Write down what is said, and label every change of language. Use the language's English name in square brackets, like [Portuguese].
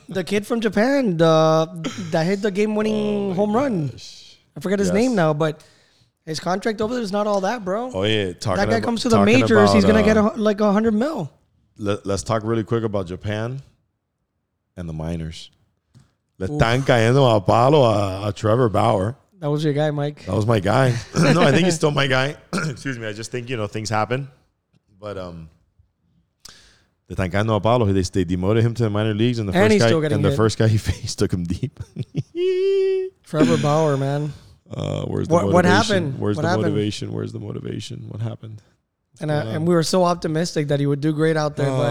[English] The kid from Japan, that hit the game-winning home run. I forget his name now, but... His contract over there is not all that, bro. Oh, yeah. Comes to the majors, he's going to get like $100 million. Let's talk really quick about Japan and the minors. [Spanish] Le están cayendo a palo a Trevor Bauer. [English] That was your guy, Mike. That was my guy. No, I think he's still my guy. Excuse me. I just think, you know, things happen. But [Spanish] le están cayendo a palo. [English] They demoted him to the minor leagues. And he's still getting hit. And the first guy he faced took him deep. Trevor Bauer, man. Where's the motivation? What happened? Where's the motivation? What happened? And we were so optimistic that he would do great out there.